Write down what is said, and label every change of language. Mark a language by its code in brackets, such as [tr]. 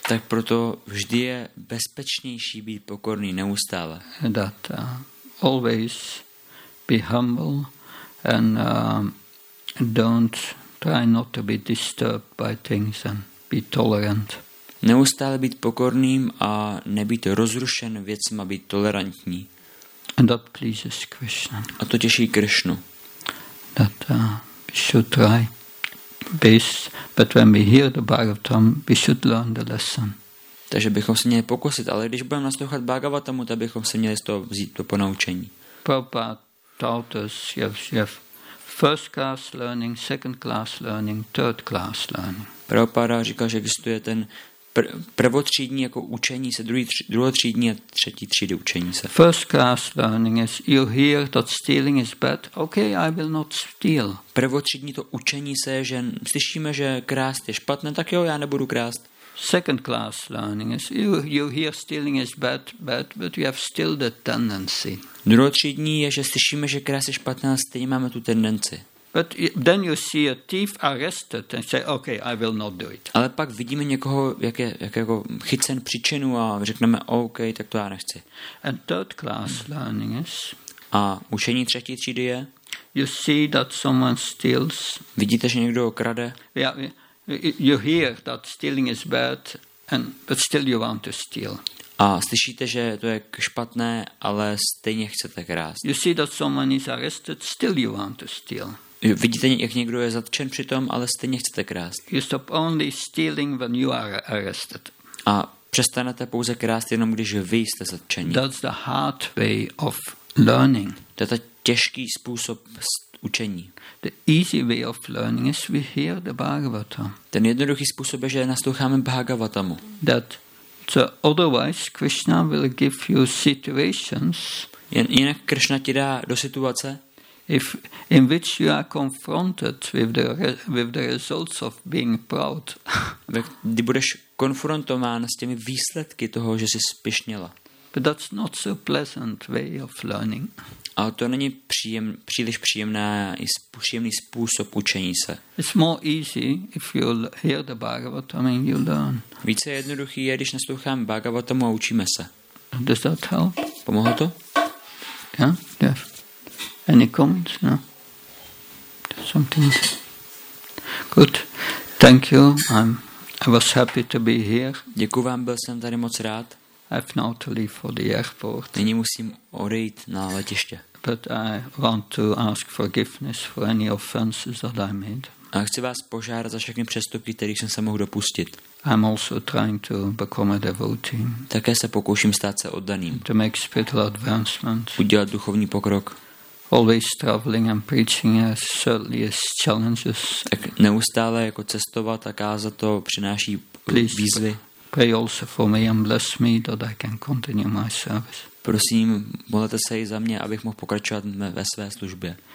[cs] Tak proto vždy je bezpečnější být pokorný neustále. [en] That always be humble and don't try not to be disturbed by things and be tolerant. [cs] Neustále být pokorným a nebýt rozrušen věcma, být tolerantní. [en] And that pleases Krishna. [cs] A to těší Krishnu. [en] That we should try. But when we hear the Bhagavatam, we should learn the lesson. [cs] Takže bychom se měli pokusit, ale když budeme naslouchat Bhagavatamu, tak bychom se měli z toho vzít to ponaučení. [en] Prabhupada taught us, you have first class learning, second class learning, third class learning. [cs] Prabhupada říkal, že existuje ten prvotřídní jako učení se, druhotřídní a třetí třídy učení se. [en] First class learning is you hear that stealing is bad. Okay, I will not steal. [cs] Prvotřídní to učení se, že slyšíme, že krást je špatné, tak jo, já nebudu krást. [en] Second class learning is you hear stealing is bad, but you have still the tendency. [cs] Druhotřídní je, že slyšíme, že krást je špatné, ale stejně máme tu tendenci. [en] But then you see a thief arrested and say, okay, I will not do it. [cs] Ale pak vidíme někoho, jak je chycen příčinu a řekneme, okay, tak to já nechci. [en] And third class learning is. [cs] A učení třetí třídy je. [en] You see that someone steals. [cs] Vidíte, že někdo krade. [en] Yeah, you hear that stealing is bad, but still you want to steal. [cs] A slyšíte, že to je špatné, ale stejně chcete krást. [en] You see that someone is arrested, still you want to steal. [cs] Vidíte, jak někdo je zatčen přitom, ale stejně chcete krást. [en] You stop only stealing when you are arrested. [cs] A přestanete pouze krást jenom, když vy jste zatčeni. [en] That's the hard way of learning. [cs] To je ta těžký způsob učení. [en] The easy way of learning is we hear the Bhagavatam. [cs] Ten jednoduchý způsob je, že nasloucháme Bhagavatamu. [en] That so otherwise Krishna will give you situations. [cs] Jinak Krishna ti dá do situace. [en] In which you are confronted with the results of being proud. [cs] Kdy budeš konfrontován s těmi výsledky toho, že jsi spišněla. [en] But that's not so pleasant way of learning. [cs] A to není příliš příjemný způsob učení se. [en] It's more easy if you hear the Bhagavatam and you learn. [cs] Více jednoduchý je, když nasloucháme Bhagavatamu a učíme se. [en] Does that help? [cs] Pomohlo to? [en] Yeah, yes. Any comments? No. Something. Good. Thank you. I was happy to be here. [cs] Děkuju vám, byl jsem tady moc rád. [en] I've now to leave for the airport. [cs] Nyní musím odejít na letiště. [en] But I want to ask forgiveness for any offenses that I made. [cs] A chci vás požádat za všechny přestupky, kterých jsem se mohl dopustit. [en] I'm also trying to become a devotee. [cs] Také se pokouším stát se oddaným. [en] To make spiritual advancement. [cs] Udělat duchovní pokrok. [en] Always traveling and preaching certainly is challenges. [cs] Tak neustále jako cestovat a kázat to přináší [en] please [cs] výzvy. [en] Pray also for me and bless me that I can continue my service. [cs] Prosím, modlete se i za mě, abych mohl pokračovat ve své službě.